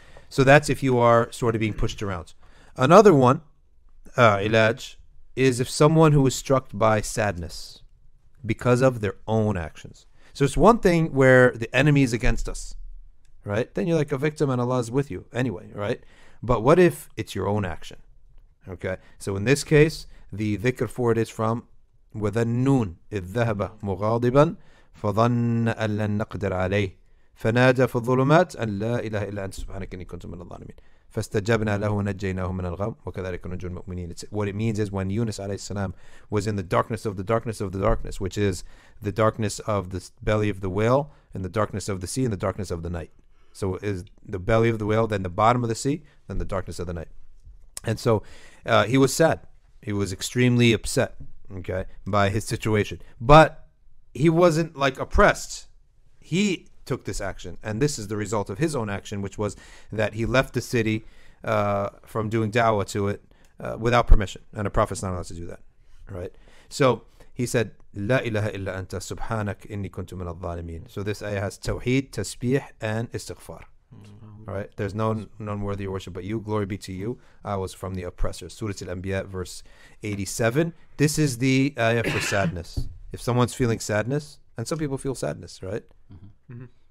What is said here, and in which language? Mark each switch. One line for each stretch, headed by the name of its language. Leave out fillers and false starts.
English: So that's if you are sort of being pushed around. Another one, Ilaj, is if someone who is struck by sadness because of their own actions. So it's one thing where the enemy is against us, right? Then you're like a victim and Allah is with you anyway, right? But what if it's your own action? Okay. So in this case, the dhikr for it is from
Arabic: وَذَا النُّونِ إِذْ ذَهَبَ مُغَاضِبًا فَظَنَّ أَن لَّن نَقْدِرَ عَلَيْهِ فَنَادَ فِي الظُّلُمَاتِ أَن لَا إِلَهَ إِلَّا أَنْتَ سُبْحَانَكَ إِنِّي كُنْتُ مِنَ الظَّالِمِينَ. فَاسْتَجَبْنَا لَهُ وَنَجَّيْنَاهُ مِنَ الْغَمِّ وَكَذَلِكَ نُجُّ الْمُؤْمِنِينَ.
English: What it means is when Yunus alayhi salam was in the darkness of the darkness of the darkness, which is the darkness of the belly of the whale and the darkness of the sea and the darkness of the night. So is the belly of the whale, then the bottom of the sea, then the darkness of the night. And so he was sad. He was extremely upset, okay, by his situation. But he wasn't like oppressed. He took this action, and this is the result of his own action, which was that he left the city from doing da'wah to it without permission, and a prophet's not allowed to do that, right? So he said,
Arabic: لا إله إلا أنت سبحانك إني كنت من الظالمين.
English: So this ayah has tawheed, tasbih, and istighfar. Right? There's none worthy of worship but you. Glory be to you. I was from the oppressor. Surah Al-Anbiya, verse 87. This is the ayah for sadness. If someone's feeling sadness, and some people feel sadness, right? Mm-hmm.